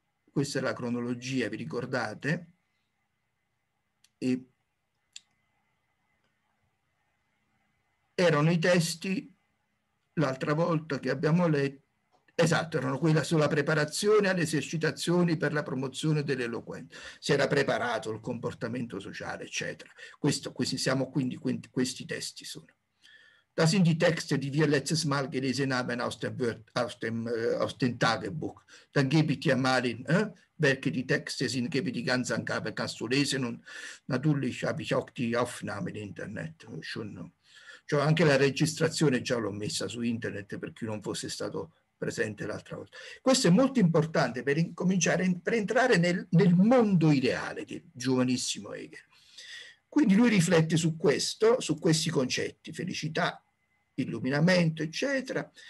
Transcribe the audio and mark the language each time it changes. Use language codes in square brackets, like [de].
[it] Questa è la cronologia, vi ricordate? E erano i testi, l'altra volta che abbiamo letto, esatto, erano quella sulla preparazione alle esercitazioni per la promozione dell'eloquenza. Si era preparato il comportamento sociale, eccetera. Questi testi sono. [de] Da sind die Texte, die wir letztes Mal gelesen haben aus dem Tagebuch. Dann gebe ich dir mal in, welche die Texte sind, gebe die ganze Angabe, kannst du lesen. Und natürlich habe ich auch die Aufnahme im Internet schon. [it] Cioè anche la registrazione già l'ho messa su Internet per chi non fosse stato presente l'altra volta. Questo è molto importante per incominciare, per entrare nel mondo ideale del giovanissimo Hegel. Quindi lui riflette su questo, su questi concetti, felicità, illuminamento, eccetera.